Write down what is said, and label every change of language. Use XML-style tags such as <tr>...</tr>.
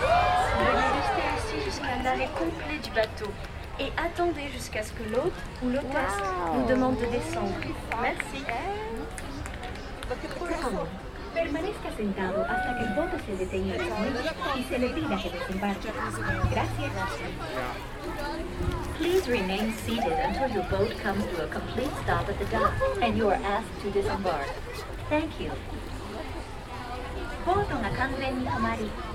<fr>Venez rester assis jusqu'à l'arrêt complet du bateau et attendez jusqu'à ce que l'hôte ou l'hôtesse nous demande de descendre. Merci.</fr> <es>Permanezca sentado hasta que el bote se detenga y se le pida que desembarque. Gracias.</es> <en>Please remain seated until your boat comes to a complete stop at the dock and you are asked to disembark. Thank you.</en> <ja>ボートが完全に止まり、</ja>